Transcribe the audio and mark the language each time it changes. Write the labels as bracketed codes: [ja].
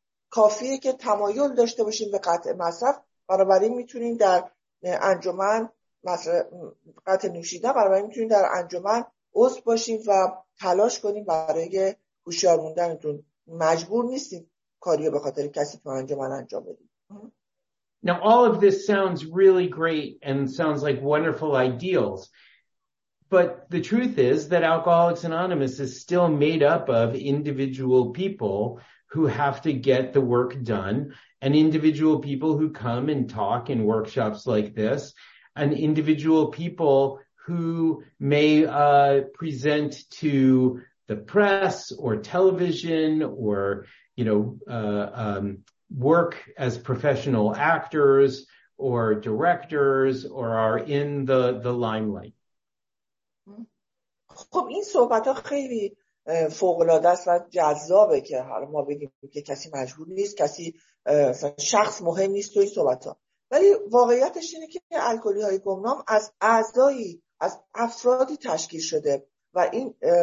[fa] کافیه که تمایل داشته باشین به قطع مصرف، بنابراین میتونین در انجمن قطع نوشیدن، بنابراین میتونین در انجمن عضو باشین و تلاش کنین برای هوشیار موندنتون، مجبور نیستین کاریو به خاطر کسی تو انجمن انجام بدین. [en] Now all of this sounds really great and sounds like wonderful ideals. But the truth is that Alcoholics Anonymous is still made up of individual people who have to get the work done, and individual people who come and talk in workshops like this, and individual people who may present to the press or television or, you know, work as professional actors or directors or are in the limelight. [fa] خب این صحبت ها خیلی فوق‌العاده است و جذابه که حالا ما بگیم که کسی مجبور نیست، کسی شخص مهم نیست توی صحبت ها، ولی واقعیتش اینه که الکلی های گمنام از اعضایی، از افرادی تشکیل شده و این